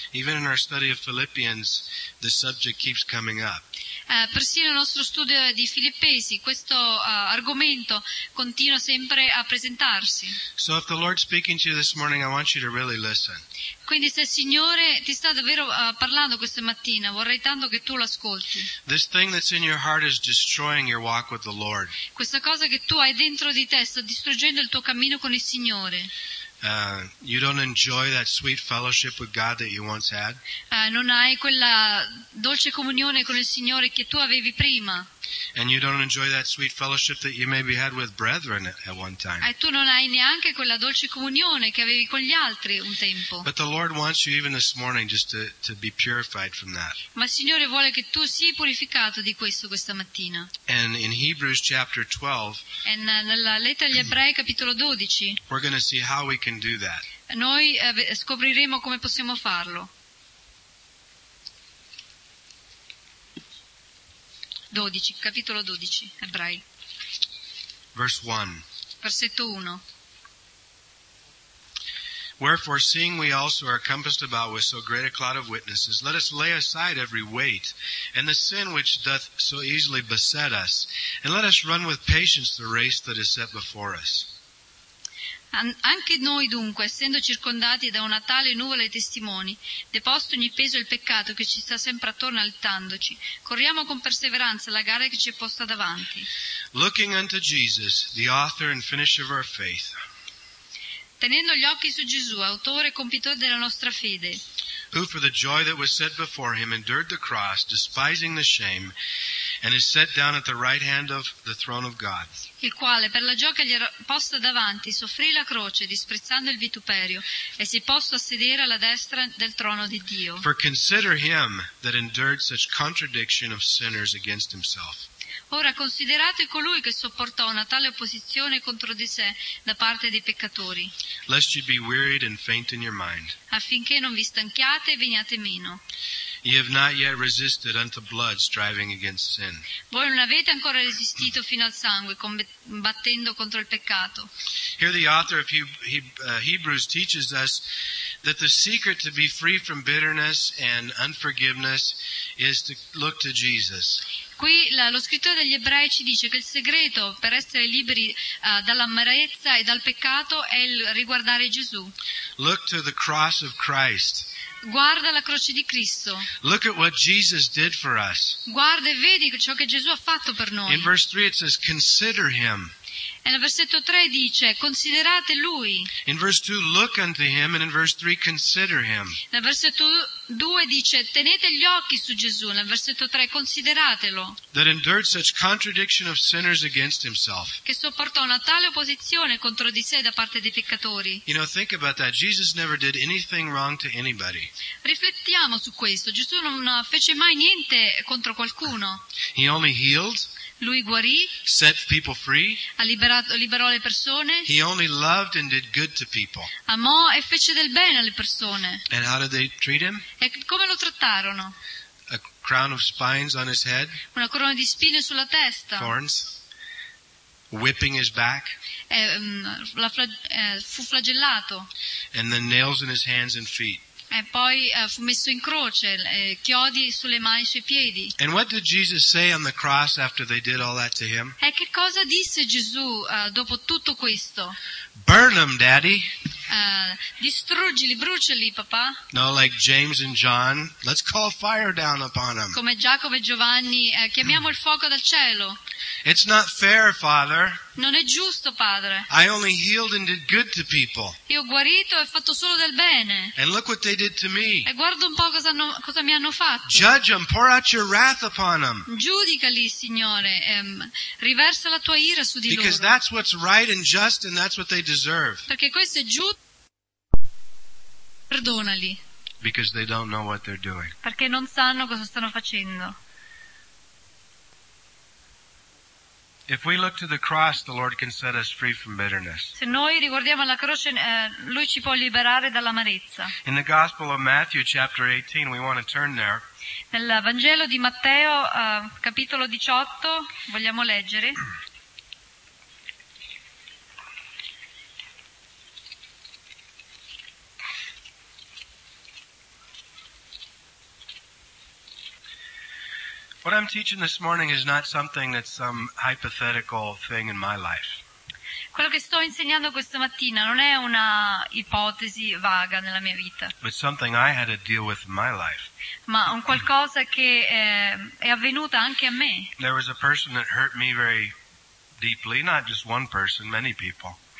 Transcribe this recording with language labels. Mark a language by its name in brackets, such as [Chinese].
[English] Even in our study of Philippians, the subject keeps coming up. [Italian] Persino nel nostro studio di Filippesi questo argomento continua sempre a presentarsi. [English] So if the Lord's speaking to you this morning, I want you to really listen. [Italian] Quindi se il Signore ti sta davvero parlando questa mattina, vorrei tanto che tu l'ascolti. [English] This thing that's in your heart is destroying your walk with the Lord. [Italian] Questa cosa che tu hai dentro di te sta distruggendo il tuo cammino con il Signore. [English] You don't enjoy that sweet fellowship with God that you once had. [Italian] Non hai quella dolce comunione con il Signore che tu avevi prima. [English] And you don't enjoy that sweet fellowship that you maybe had with brethren at one time. [Italian] Tu non hai neanche quella dolce comunione che avevi con gli altri un tempo. [English] But the Lord wants you even this morning just to be purified from that. [Italian] Ma il Signore vuole che tu sii purificato di questa mattina. [English] And in Hebrews chapter 12. [Italian] And nella lettera agli Ebrei capitolo 12. [English] We're going to see how we can do that. [Italian] Noi scopriremo come possiamo farlo. 12, capitolo 12, Ebrei. [English] Verse 1. [Italian] Versetto 1. [English] Wherefore, seeing we also are compassed about with so great a cloud of witnesses, let us lay aside every weight and the sin which doth so easily beset us, and let us run with patience the race that is set before us. [Italian] Anche noi dunque, essendo circondati da una tale nuvola di testimoni, deposto ogni peso il peccato che ci sta sempre attorno alzandoci, corriamo con perseveranza la gara che ci è posta davanti. [English] Looking unto Jesus, the author and finisher of our faith. [Italian] Tenendo gli occhi su Gesù, autore e compitore della nostra fede. [English] Who for the joy that was set before him endured the cross, despising the shame, and is set down at the right hand of the throne of God. [Italian] Il quale per la gioia gli era posta davanti soffrì la croce disprezzando il vituperio e si posto a sedere alla destra del trono di Dio. [English] For consider him that endured such contradiction of sinners against himself. [Italian] Ora considerate colui che sopportò una tale opposizione contro di sé da parte dei peccatori. [English] Lest you be wearied and faint in your mind. [Italian] Affinché non vi stanchiate e veniate meno. [English] You have not yet resisted unto blood striving against sin. [Italian] Voi non avete ancora resistito fino al sangue combattendo contro il peccato. [English] Here the author of Hebrews teaches us that the secret to be free from bitterness and unforgiveness is to look to Jesus. [Italian] Qui lo scrittore degli ebrei ci dice che il segreto per essere liberi dall'amarezza e dal peccato è il riguardare Gesù. [English] Look to the cross of Christ. [Italian] Guarda la croce di Cristo. [English] Look at what Jesus did for us. [Italian] Guarda e vedi ciò che Gesù ha fatto per noi. [English] In verse 3 it says, consider him. [Italian] E nel versetto 3 dice considerate lui. [English] In verse 2 look unto him and in verse 3 consider him. [Italian] Nel versetto 2 dice tenete gli occhi su Gesù, nel versetto 3 consideratelo. [English] That endured such contradiction of sinners against himself. [Italian] Che sopportò una tale opposizione contro di sé da parte dei peccatori. [English] You know, think about that. Jesus never did anything wrong to anybody. [Italian] Riflettiamo su questo. Gesù non fece mai niente contro qualcuno. [English] He only healed. [Italian] Lui guarì, [English] set people free. [Italian] Ha liberò le persone. [English] He only loved and did good to people. [Italian] Amò e fece del bene alle persone. [English] And how did they treat him? [Italian] E come lo trattarono? [English] A crown of spines on his head. [Italian] Una corona di spine sulla testa. [English] Thorns. Whipping his back. [Italian] Fu flagellato. [English] And then nails in his hands and feet. [Italian] E poi fu messo in croce, chiodi sulle mani e sui piedi. [English] And what did Jesus say on the cross after they did all that to him? [Italian] E che cosa disse Gesù dopo tutto questo? [English] Burn them, Daddy. [Italian] Distruggili, bruciali, papà. [English] No, like James and John, let's call fire down upon them. [Italian] Come Giacomo e Giovanni, chiamiamo il fuoco dal cielo. [English] It's not fair, Father. [Italian] Non è giusto, Padre. [English] I only healed and did good to people. [Italian] Io ho guarito e ho fatto solo del bene. [English] And look what they did to me. [Italian] E guarda un po' cosa mi hanno fatto. [English] Judge them, pour out your wrath upon them. [Italian] Giudicali, Signore, riversa la tua ira su di loro. [English] Because that's what's right and just, and that's what they deserve. [Italian] Perché questo è giusto. Perdonali. [English] Because they don't know what they're doing. [Italian] Perché non sanno cosa stanno facendo. [English] If we look to the cross, the Lord can set us free from bitterness. [Italian] Se noi riguardiamo la croce, lui ci può liberare dall'amarezza. [English] In the Gospel of Matthew, chapter 18, we want to turn there. [Italian] Nel Vangelo di Matteo, capitolo 18, vogliamo leggere. [English] What I'm teaching this morning is not something that's some hypothetical thing in my life. [Italian] Quello che sto insegnando questa mattina non è una ipotesi vaga nella mia vita. [English] But something I had to deal with in my life. [Italian] Ma un qualcosa che è avvenuta anche a me. [English] There was a person that hurt me very deeply, not just one person, many people.